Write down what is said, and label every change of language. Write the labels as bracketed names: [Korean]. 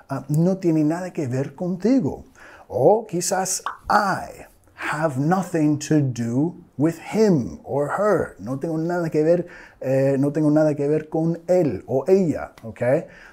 [Spanish] No tiene nada que ver contigo. O quizás I, [English] have nothing to do with him or her. [Spanish] No tengo nada que ver, no tengo nada que ver con él o ella, okay?